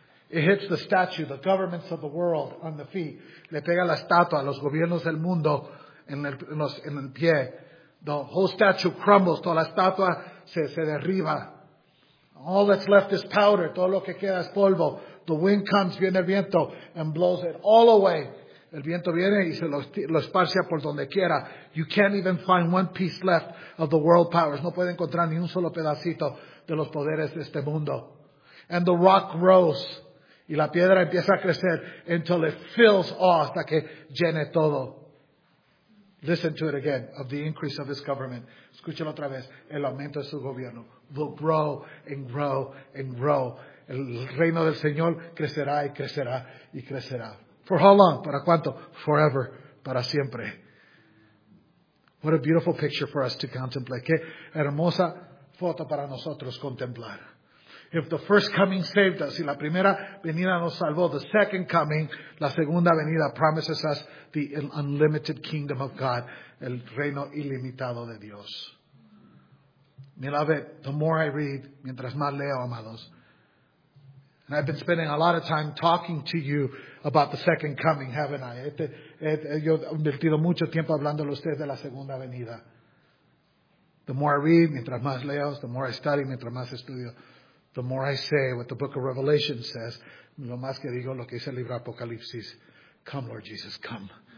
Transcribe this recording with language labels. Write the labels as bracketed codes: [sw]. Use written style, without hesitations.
[en] It hits the statue, the governments of the world, on the feet. [es] Le pega la estatua, los gobiernos del mundo, en el pie. [en] The whole statue crumbles, [es] toda la estatua se derriba. [en] All that's left is powder, [es] todo lo que queda es polvo. [en] The wind comes, [es] viene el viento, [en] and blows it all away. [es] El viento viene y se lo esparcia por donde quiera. [en] You can't even find one piece left of the world powers. [es] No puede encontrar ni un solo pedacito de los poderes de este mundo. [en] And the rock grows. [es] Y la piedra empieza a crecer [en] until it fills all, [es] hasta que llene todo. [en] Listen to it again, of the increase of his government. [es] Escúchelo otra vez. El aumento de su gobierno [en] will grow and grow and grow. [es] El reino del Señor crecerá y crecerá y crecerá. [en] For how long? [es] ¿Para cuánto? [en] Forever. [es] Para siempre. [en] What a beautiful picture for us to contemplate. [es] Qué hermosa foto para nosotros contemplar. [en] If the first coming saved us, [es] si la primera venida nos salvó, [en] the second coming, [es] la segunda venida, [en] promises us the unlimited kingdom of God, [es] el reino ilimitado de Dios. [en] Mira, the more I read, [es] mientras más leo, amados, [en] and I've been spending a lot of time talking to you about the second coming, haven't I? [es] Yo he invertido mucho tiempo hablando a ustedes de la segunda venida. [en] The more I read, [es] mientras más leo, [en] the more I study, [es] mientras más estudio, [en] the more I say what the book of Revelation says, [es] lo más que digo lo que dice el libro Apocalipsis, [en] come Lord Jesus, come.